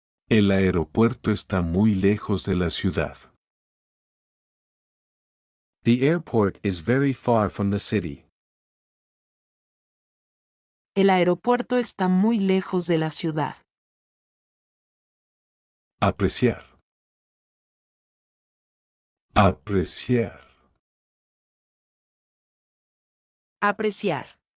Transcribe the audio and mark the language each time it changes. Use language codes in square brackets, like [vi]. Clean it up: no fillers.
[es] El aeropuerto está muy lejos de la ciudad. [en] The airport is very far from the city. [es] El aeropuerto está muy lejos de la ciudad. Apreciar. Apreciar. Apreciar.